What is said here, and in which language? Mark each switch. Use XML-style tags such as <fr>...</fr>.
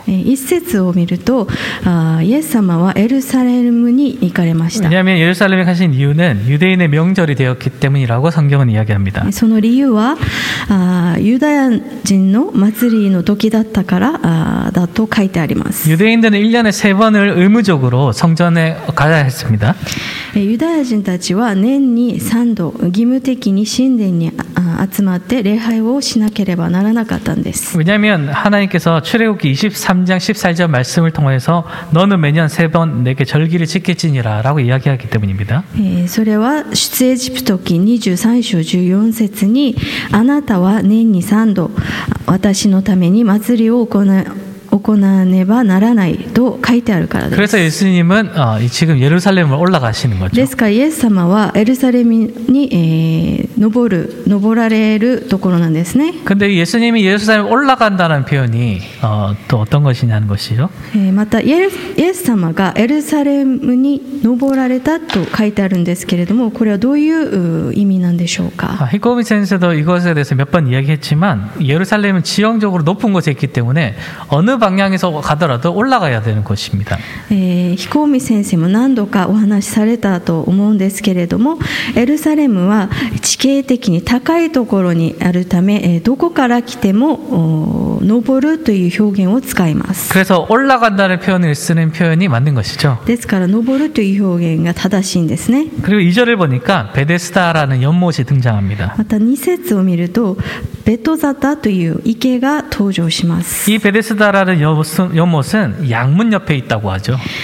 <ja>一節を見るとイエス様はエルサレムに行かれました。</ja> <ko>왜냐하면예루살렘에가신이유는유대인의명절이되었기때문이라고성경은이야기합니다。</ko> <ja>その理由はユダヤ人の祭りの時だったからだと書いてあります。</ja> <ko>유대인들은1년에3번을의무적으로성전에가야했습니다。</ko> <ja>ユダヤ人たちは年に3度義務的に神殿に集まって礼拝をしなければならなかったんです。</ja> <ko>왜냐하면하나님께서출애굽기23장14절말씀을통해서너는매년세번내게절기를지켰지니라라고이야기하기때문입니다。</ko> <ja>それは出エジプト記23章14節にあなたは年に3度私のために祭りを行わねばならないと書いてあるからです。</ja> <ko>그래서예수님은지금예루살렘을올라가시는거죠。</ko> <ja>ですからイエス様はエルサレムに登られるところなんですね。</ja> <ko>근데예수님이예루살렘올라간다는표현이또어떤것이냐는것이죠。</ko> <ja>またイエス様がエルサレムに登られたと書いてあるんですけれども、これはどういう意味なんでしょうか?</ja> <ko>히코미 선생도 이것에 대해서 몇 번 이야기했지만 예루살렘은 지형적으로 높은 곳에 있기 때문에 어느 방향에서 가더라도 올라가야 되는 곳입니다. 히코미 선생은</ko> <ja>何度かお話しされたと思うんですけれども</ja> <ko>예루살렘은 지형적으로 높은 곳에 있기 때문에</ko> <ja>どこから来ても登るという表現を使います.</ja> <ko>그래서 올라간다는 표현을 쓰는 표현이 맞는 것이죠.</ko> <ja>ですから登るという表現が正しいんですね.</ja> <ko>그리고 2절을 보니까 베데스다라는 연못이 등장합니다.</ko> <ja>2節を見るとベトザタという池が登場します.</ja> <ko>이 베데스다라는 연못은 양문 옆에 있다고 하죠.</ko>